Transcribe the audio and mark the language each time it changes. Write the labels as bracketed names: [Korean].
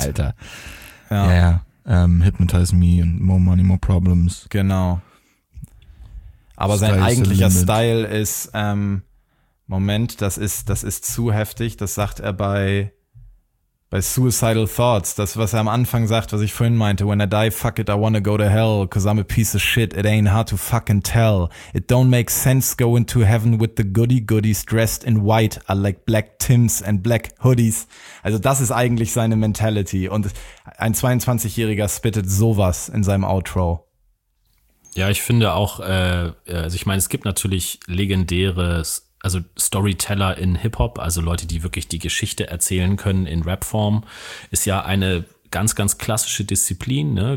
[German] Alter. Ja. Hypnotize Me und More Money, More Problems. Genau. Aber Style sein eigentlicher ist Style ist, Moment, das ist zu heftig. Das sagt er bei Suicidal Thoughts. Das, was er am Anfang sagt, was ich vorhin meinte. [English] When I die, fuck it, I wanna go to hell. Cause I'm a piece of shit. It ain't hard to fucking tell. It don't make sense going to heaven with the goody goodies dressed in white. I like black Tims and black hoodies. [German] Also das ist eigentlich seine Mentality. Und ein 22-Jähriger spittet sowas in seinem Outro. Ja, ich finde auch, also ich meine, es gibt natürlich legendäre, also Storyteller in Hip-Hop, also Leute, die wirklich die Geschichte erzählen können in Rap-Form, ist ja eine ganz, ganz klassische Disziplin. Ne?